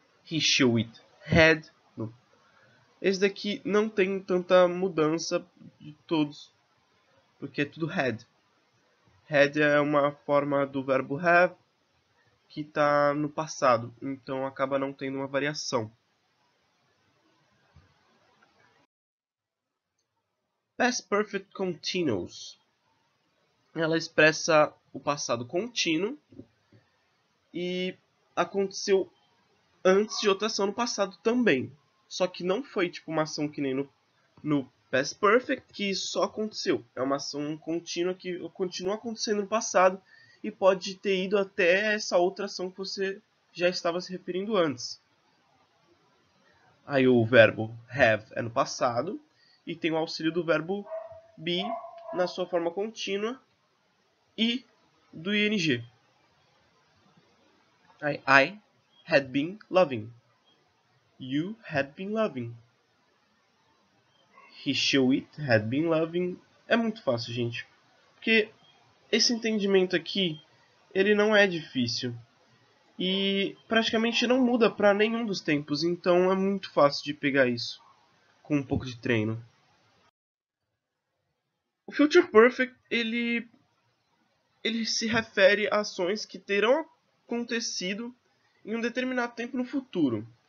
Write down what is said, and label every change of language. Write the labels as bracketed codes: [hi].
[en] He, she, it, had. [pt] Esse daqui não tem tanta mudança de todos, porque é tudo had. Had é uma forma do verbo have que está no passado, então acaba não tendo uma variação. [en] Past Perfect Continuous. [pt] Ela expressa o passado contínuo e aconteceu antes de outra ação no passado também. Só que não foi tipo uma ação que nem no past perfect que só aconteceu. É uma ação contínua que continua acontecendo no passado e pode ter ido até essa outra ação que você já estava se referindo antes. Aí o verbo have é no passado e tem o auxílio do verbo be na sua forma contínua e do ING. [en] I had been loving. You had been loving. He, she, it had been loving. [pt] É muito fácil, gente. Porque esse entendimento aqui, ele não é difícil. E praticamente não muda para nenhum dos tempos, então é muito fácil de pegar isso com um pouco de treino. O Future Perfect, ele se refere a ações que terão acontecido em um determinado tempo no futuro.